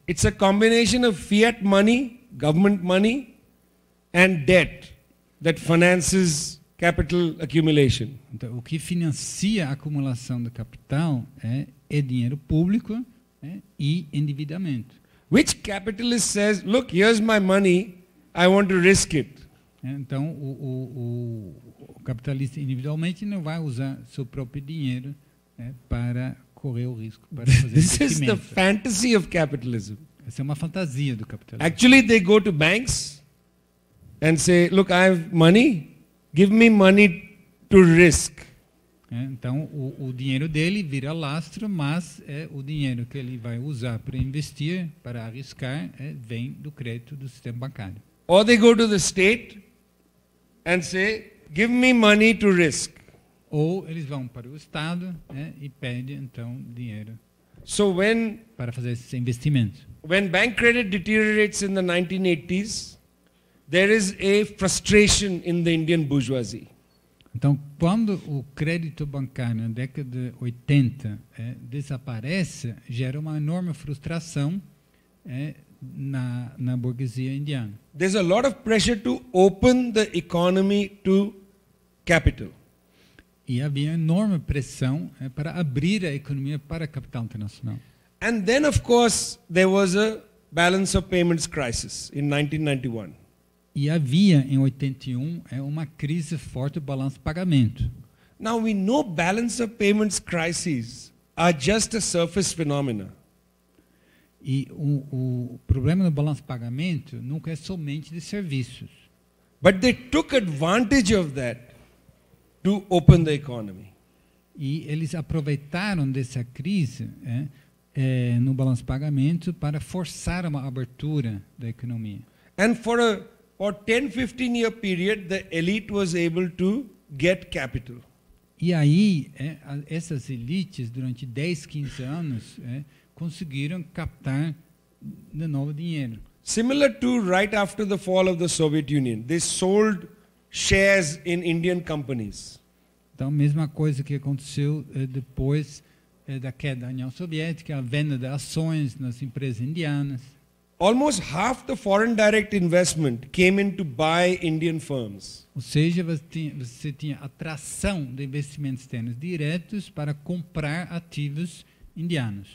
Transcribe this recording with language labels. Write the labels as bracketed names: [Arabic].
[English] It's a combination of fiat money, government money, and debt that finances capital accumulation. [Portuguese] Então, o que financia a acumulação de capital é dinheiro público e endividamento. [English] Which capitalist says, look, here's my money, I want to risk it. [Portuguese] Então, o capitalista individualmente não vai usar seu próprio dinheiro para correr o risco, para fazer [English] This is the fantasy of capitalism. [Portuguese] Essa é uma fantasia do capitalismo. [English] Actually, they go to banks and say, look, I have money, give me money to risk. [Portuguese] Então, o dinheiro dele vira lastro, mas o dinheiro que ele vai usar para investir, para arriscar, vem do crédito do sistema bancário. [English] Or they go to the state and say, give me money to risk. [Portuguese] Ou eles vão para o Estado e pedem, então, dinheiro para fazer esses investimentos. [English] When bank credit deteriorates in the 1980s, there is a frustration in the Indian bourgeoisie. [Portuguese] Então, quando o crédito bancário na década de 80 desaparece, gera uma enorme frustração na burguesia indiana. [English] There's a lot of pressure to open the economy to capital. [Portuguese] E havia enorme pressão para abrir a economia para capital internacional. [English] And then of course there was a balance of payments crisis in 1991. [Portuguese] E havia em 81 uma crise forte do balanço de pagamento. [English] Now we know balance of payments crises are just a surface phenomena. [Portuguese] E o problema do balanço de pagamento nunca é somente de serviços. [English] But they took advantage of that to open the economy. [Portuguese] E eles aproveitaram dessa crise no balanço de pagamento para forçar uma abertura da economia. [English] And for 10, 15 year period, the elite was able to get capital. [Portuguese] E aí, essas elites, durante 10, 15 anos, conseguiram captar de novo dinheiro. [English] Similar to right after the fall of the Soviet Union, they sold shares in Indian companies. [Portuguese] Então, a mesma coisa que aconteceu depois da queda da União Soviética, a venda de ações nas empresas indianas. [English] Almost half the foreign direct investment came in to buy Indian firms. [Portuguese] Ou seja, você tinha atração de investimentos externos diretos para comprar ativos indianos.